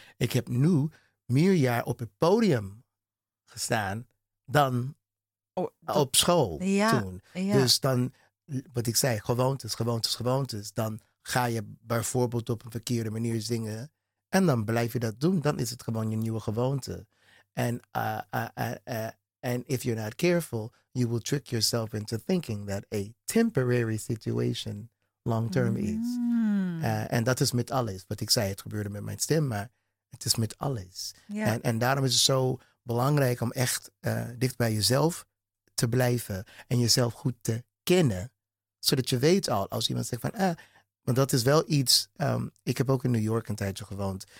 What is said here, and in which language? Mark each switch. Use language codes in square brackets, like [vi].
[nl] Ik heb nu meer jaar op het podium gestaan... dan op school toen. Ja. Dus dan, wat ik zei, gewoontes. Dan ga je bijvoorbeeld op een verkeerde manier zingen. En dan blijf je dat doen. Dan is het gewoon je nieuwe gewoonte. [en] And if you're not careful, you will trick yourself into thinking that a temporary situation long-term is. [nl] En dat is met alles. Wat ik zei, het gebeurde met mijn stem, maar het is met alles. En daarom is het zo belangrijk om echt dicht bij jezelf te blijven. En jezelf goed te kennen. Zodat je weet al, als iemand zegt van... Want dat is wel iets... ik heb ook in New York een tijdje gewoond.